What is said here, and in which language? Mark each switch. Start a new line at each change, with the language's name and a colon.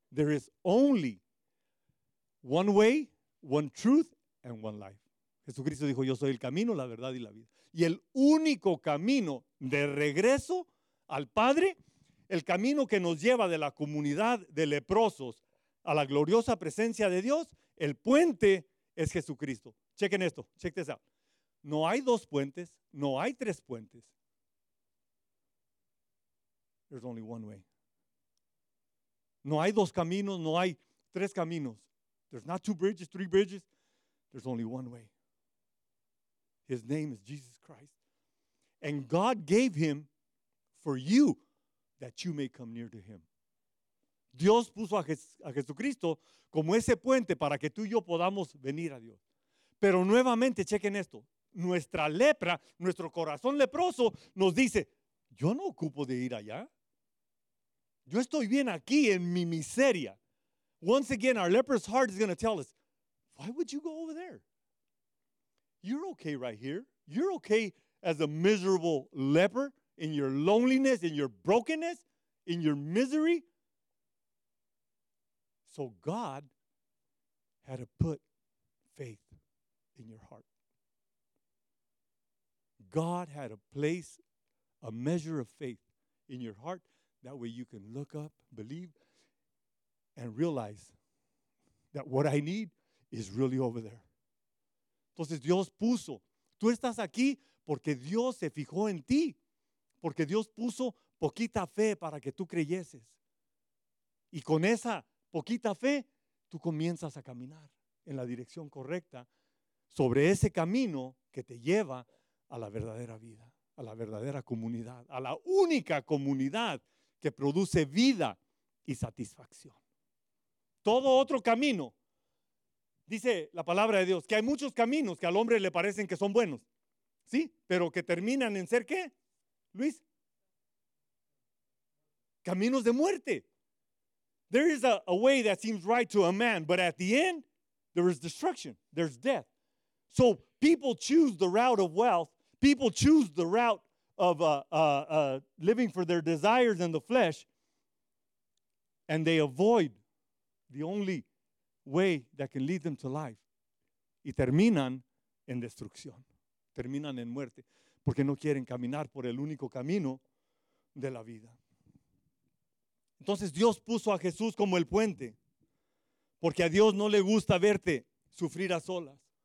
English: There is only one way, one truth, and one life.
Spanish: Jesucristo dijo, yo soy el camino, la verdad y la vida. Y el único camino de regreso al Padre, el camino que nos lleva de la comunidad de leprosos a la gloriosa presencia de Dios, el puente es Jesucristo. Chequen esto,
English: check this out.
Spanish: No hay dos puentes, no hay tres puentes.
English: There's only one way.
Spanish: No hay dos caminos, no hay tres caminos.
English: There's not two bridges, three bridges. There's only one way. His name is Jesus Christ. And God gave him for you that you may come near to him.
Spanish: Dios puso a Jesucristo como ese puente para que tú y yo podamos venir a Dios. Pero nuevamente, chequen esto. Nuestra lepra, nuestro corazón leproso nos dice, yo no ocupo de ir allá. Yo estoy bien aquí en mi miseria.
English: Once again, our leprous heart is going to tell us, why would you go over there? You're okay right here. You're okay as a miserable leper in your loneliness, in your brokenness, in your misery. So God had to put faith in your heart. God had to place a measure of faith in your heart. That way you can look up, believe, and realize that what I need is really over there.
Spanish: Entonces Dios puso. Tú estás aquí porque Dios se fijó en ti. Porque Dios puso poquita fe para que tú creyeses. Y con esa poquita fe, tú comienzas a caminar en la dirección correcta sobre ese camino que te lleva a la verdadera vida, a la verdadera comunidad, a la única comunidad que produce vida y satisfacción. Todo otro camino, dice la palabra de Dios, que hay muchos caminos que al hombre le parecen que son buenos, ¿sí? Pero que terminan en ser, ¿qué, Luis? Caminos de muerte.
English: There is a way that seems right to a man, but at the end, there is destruction. There's death. So people choose the route of wealth. People choose the route of living for their desires and the flesh. And they avoid the only way that can lead them to life.
Spanish: Y terminan en destrucción. Terminan en muerte. Porque no quieren caminar por el único camino de la vida. Entonces Dios puso a Jesús como el puente, porque a Dios no le gusta verte sufrir a solas.